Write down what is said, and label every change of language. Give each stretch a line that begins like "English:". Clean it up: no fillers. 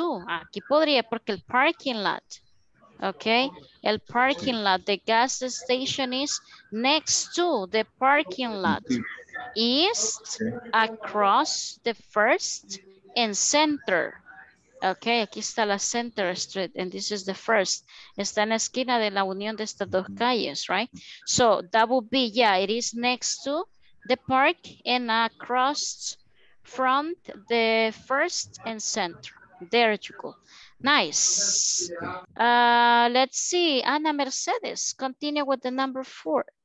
Spanish: Aquí podría porque el
English: parking lot. Okay, el parking lot, the gas station is next to the parking lot, east, across the first, and center. Okay,
Spanish: aquí está la
English: Center Street, and this is the first.
Spanish: Está en la esquina de la unión de estas dos calles, right?
English: So that would be, yeah, it is next to the park and across from the first and center. There you go. Nice. Let's see, Ana Mercedes, continue with the number four.